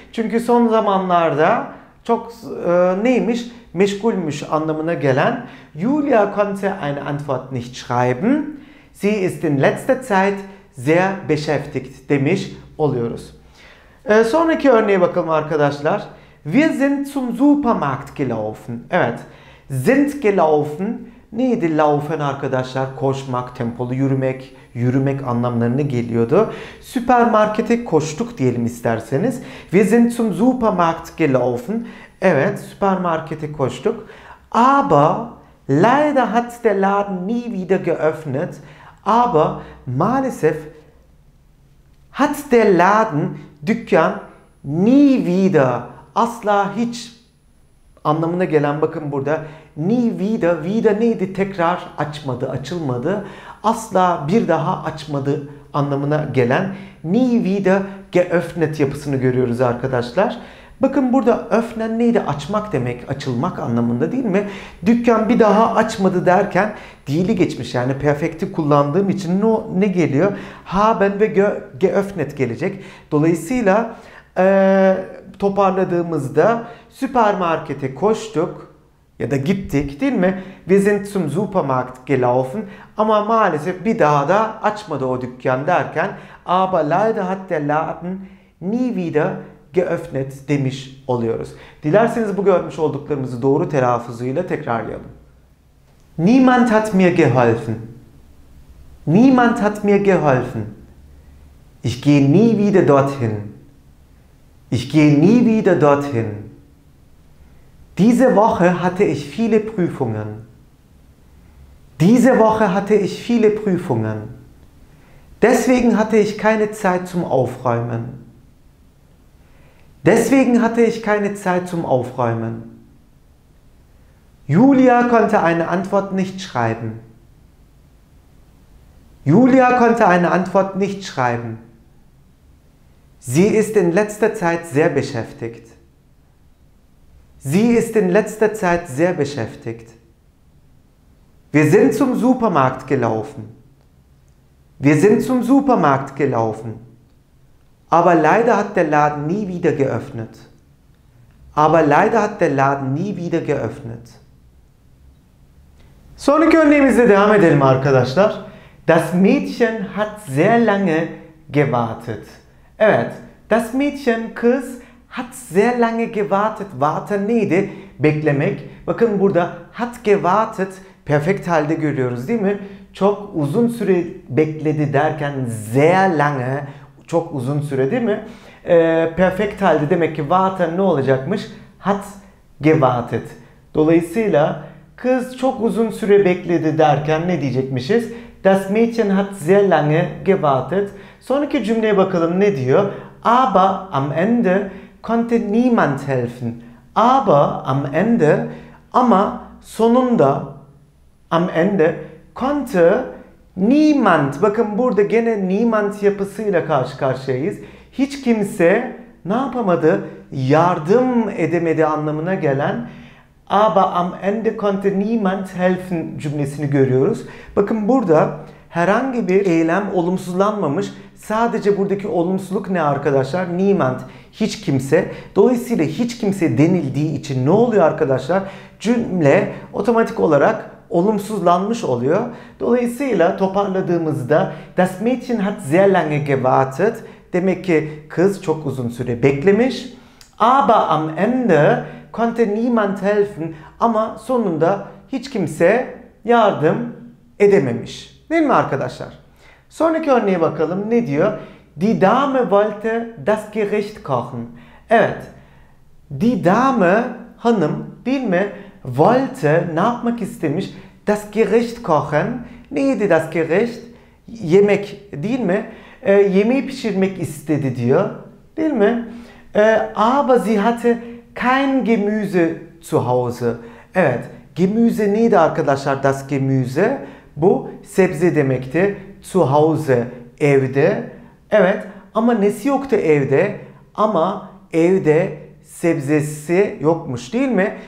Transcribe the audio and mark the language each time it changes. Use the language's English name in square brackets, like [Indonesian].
[Turkish] Çünkü son zamanlarda çok neymiş? Meşgulmüş anlamına gelen [German] Julia konnte eine Antwort nicht schreiben. Sie ist in letzter Zeit sehr beschäftigt [Turkish] demiş oluyoruz. Sonraki örneğe bakalım arkadaşlar. [German] Wir sind zum Supermarkt gelaufen. [Turkish] Evet. [German] Sind gelaufen. [Turkish] Neydi laufen arkadaşlar? Koşmak, tempolu yürümek, yürümek anlamlarını geliyordu. Süpermarkete koştuk diyelim isterseniz. [German] Wir sind zum Supermarkt gelaufen. [Turkish] Evet, süpermarkete koştuk. [German] Aber leider hat der Laden nie wieder geöffnet. [Turkish] Aber maalesef [German] hat der Laden, [Turkish] dükkan, nie wieder, asla hiç anlamına gelen, bakın burada nie wieder, wieder neydi, tekrar açmadı, açılmadı, asla bir daha açmadı anlamına gelen [German] nie wieder geöffnet [Turkish] yapısını görüyoruz arkadaşlar. Bakın burada öffnen neydi, açmak demek, açılmak anlamında değil mi? Dükkan bir daha açmadı derken dili geçmiş, yani perfekti kullandığım için ne geliyor? Haben ve geöffnet gelecek. Dolayısıyla toparladığımızda süpermarkete koştuk ya da gittik değil mi? [German] Wir sind zum Supermarkt gelaufen. [Turkish] Ama maalesef bir daha da açmadı o dükkan derken. [German] Aber leider hat der Laden nie wieder geöffnet [Turkish] demiş oluyoruz. Dilerseniz bu görmüş olduklarımızı doğru telaffuzuyla tekrarlayalım. [German] Niemand hat mir geholfen. Niemand hat mir geholfen. Ich gehe nie wieder dorthin. Ich gehe nie wieder dorthin. Diese Woche hatte ich viele Prüfungen. Diese Woche hatte ich viele Prüfungen. Deswegen hatte ich keine Zeit zum Aufräumen. Deswegen hatte ich keine Zeit zum Aufräumen. Julia konnte eine Antwort nicht schreiben. Julia konnte eine Antwort nicht schreiben. Sie ist in letzter Zeit sehr beschäftigt. Sie ist in letzter Zeit sehr beschäftigt. Wir sind zum Supermarkt gelaufen. Wir sind zum Supermarkt gelaufen. Aber leider hat der Laden nie wieder geöffnet. Aber leider hat der Laden nie wieder geöffnet. [Turkish] Sonraki örneğimizle devam edelim arkadaşlar. [German] Das Mädchen hat sehr lange gewartet. [Turkish] Evet, [German] das Mädchen, [Turkish] kız, [German] hat sehr lange gewartet. [Turkish] Warten neydi? Beklemek. Bakın burada [German] hat gewartet, [Turkish] perfekt halde görüyoruz değil mi? Çok uzun süre bekledi derken [German] sehr lange, [Turkish] çok uzun süre değil mi? Perfekt halde demek ki warten ne olacakmış? [German] Hat gewartet. [Turkish] Dolayısıyla kız çok uzun süre bekledi derken ne diyecekmişiz? [German] Das Mädchen hat sehr lange gewartet. [Turkish] Sonraki cümleye bakalım, ne diyor? [German] Aber am Ende konnte niemand helfen. Aber am Ende, [Turkish] ama sonunda, [German] am Ende konnte [Turkish] Niemand, bakın burada gene Niemand yapısıyla karşı karşıyayız. Hiç kimse ne yapamadı? Yardım edemedi anlamına gelen [German] Aber am Ende konnte niemand helfen [Turkish] cümlesini görüyoruz. Bakın burada herhangi bir eylem olumsuzlanmamış. Sadece buradaki olumsuzluk ne arkadaşlar? Niemand, hiç kimse. Dolayısıyla hiç kimse denildiği için ne oluyor arkadaşlar? Cümle otomatik olarak olumsuzlanmış oluyor. Dolayısıyla toparladığımızda [German] Das Mädchen hat sehr lange gewartet. [Turkish] Demek ki kız çok uzun süre beklemiş. [German] Aber am Ende konnte niemand helfen. [Turkish] Ama sonunda hiç kimse yardım edememiş. Değil mi arkadaşlar? Sonraki örneğe bakalım. Ne diyor? [German] Die Dame wollte das Gericht kochen. [Turkish] Evet. [German] Die Dame, [Turkish] hanım, değil mi? [German] Wollte, [Turkish] ne yapmak istemiş? [German] Das Gericht kochen. [Turkish] Neydi [German] das Gericht? [Turkish] Yemek, değil mi? Yemeği pişirmek istedi diyor. Değil mi? [German] Aber sie hatte kein Gemüse zu Hause. [Turkish] Evet. Gemüse neydi arkadaşlar? [German] Das Gemüse. [Turkish] Bu sebze demekti. [German] Zu Hause, [Turkish] evde. Evet. Ama nesi yoktu evde? Ama evde sebzesi yokmuş, değil mi?